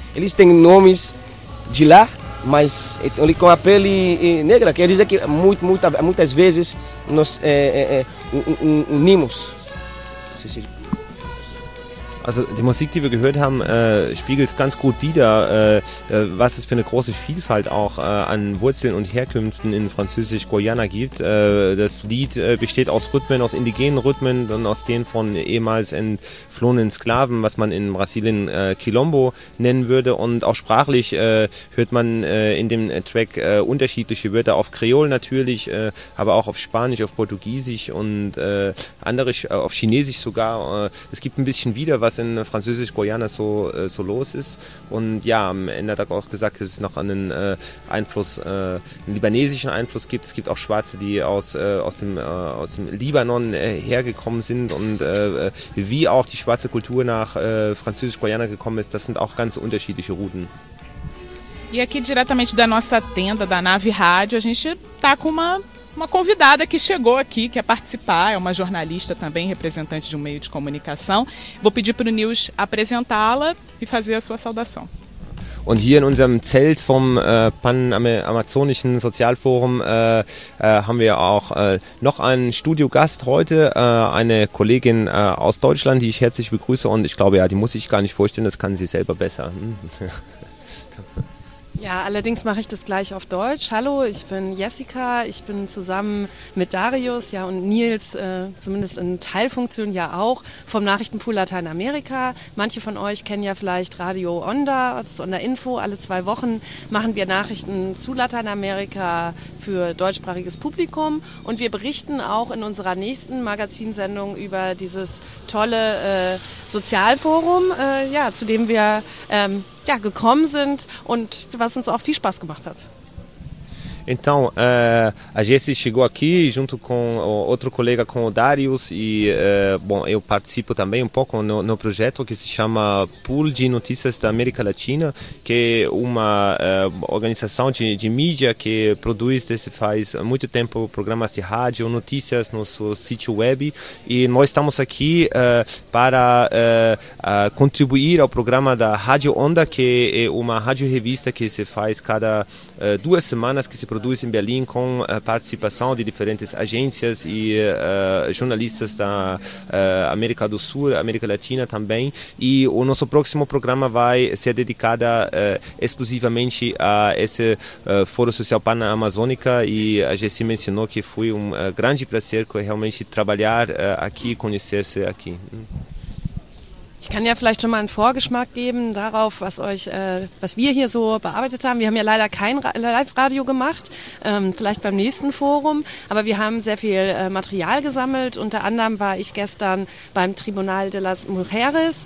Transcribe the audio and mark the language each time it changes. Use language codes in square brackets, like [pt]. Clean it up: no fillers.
[pt] Eles têm nomes de lá, mas ele com a pele negra. Quer dizer que muitas vezes nós unimos. Cecília. [de] Also die Musik, die wir gehört haben, spiegelt ganz gut wider, was es für eine große Vielfalt auch an Wurzeln und Herkünften in Französisch-Guayana gibt. Das Lied besteht aus Rhythmen, aus indigenen Rhythmen, dann aus denen von ehemals entflohenen Sklaven, was man in Brasilien Quilombo nennen würde. Und auch sprachlich hört man in dem Track unterschiedliche Wörter, auf Kreol natürlich, aber auch auf Spanisch, auf Portugiesisch und andere, auf Chinesisch sogar. Es gibt ein bisschen wider, was in Französisch-Guayana so los ist. Und ja, am Ende hat er auch gesagt, dass es noch einen Einfluss, einen libanesischen Einfluss gibt. Es gibt auch Schwarze, die aus dem Libanon hergekommen sind. Und wie auch die schwarze Kultur nach Französisch-Guayana gekommen ist, das sind auch ganz unterschiedliche Routen. [pt] E aqui diretamente da nossa tenda, da Nave Rádio, a gente tá com uma convidada que chegou aqui, quer participar, é uma jornalista também, representante de um meio de comunicação. Vou pedir para o Nils apresentá-la e fazer a sua saudação. [de] Und hier in unserem Zelt vom Pan-Amazonischen Sozialforum haben wir auch noch einen Studiogast heute, eine Kollegin aus Deutschland, die ich herzlich begrüße, und ich glaube, ja, die muss ich gar nicht vorstellen, das kann sie selber besser. Ja, allerdings mache ich das gleich auf Deutsch. Hallo, ich bin Jessica, ich bin zusammen mit Darius, ja, und Nils, zumindest in Teilfunktion ja auch, vom Nachrichtenpool Lateinamerika. Manche von euch kennen ja vielleicht Radio Onda, das ist Onda Info. Alle zwei Wochen machen wir Nachrichten zu Lateinamerika für deutschsprachiges Publikum. Und wir berichten auch in unserer nächsten Magazinsendung über dieses tolle Sozialforum, zu dem wir gekommen sind und was uns auch viel Spaß gemacht hat. [pt] Então, a Jessi chegou aqui junto com outro colega, com o Darius, e eu participo também um pouco no projeto que se chama Pool de Notícias da América Latina, que é uma organização de mídia que produz desde faz muito tempo programas de rádio, notícias no seu sítio web, e nós estamos aqui para contribuir ao programa da Rádio Onda, que é uma rádio revista que se faz cada duas semanas, que se produz produz em Berlim com a participação de diferentes agências e jornalistas da América do Sul, América Latina também. E o nosso próximo programa vai ser dedicado exclusivamente a esse Foro Social Pan-Amazônica. E a Jessi mencionou que foi um grande prazer realmente trabalhar aqui, conhecer-se aqui. [de] Ich kann ja vielleicht schon mal einen Vorgeschmack geben darauf, was euch, was wir hier so bearbeitet haben. Wir haben ja leider kein Live-Radio gemacht, vielleicht beim nächsten Forum, aber wir haben sehr viel Material gesammelt. Unter anderem war ich gestern beim Tribunal de las Mujeres.